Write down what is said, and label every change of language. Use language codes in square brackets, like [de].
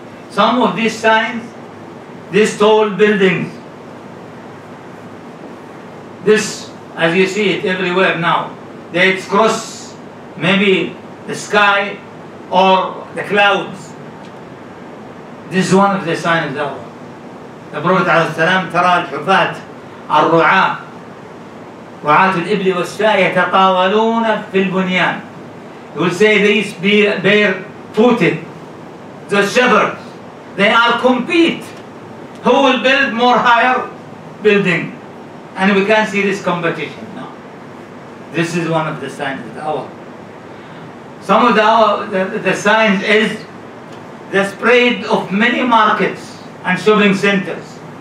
[en] Some of these signs, these tall buildings, this, as you see it everywhere now, they cross maybe the sky or the clouds. This is one of the signs of the hour. The Prophet [ar] عليه السلام ترى الحفات الرعاة رعاة الإبل والشاة يتطاولون في البنيان. [en] He will say these bear footed, the shepherds, they are compete. Who will build more higher building? And we can see this competition now. This is one of the signs of the hour. Some of the hour, the signs is the spread of many markets and shopping centers.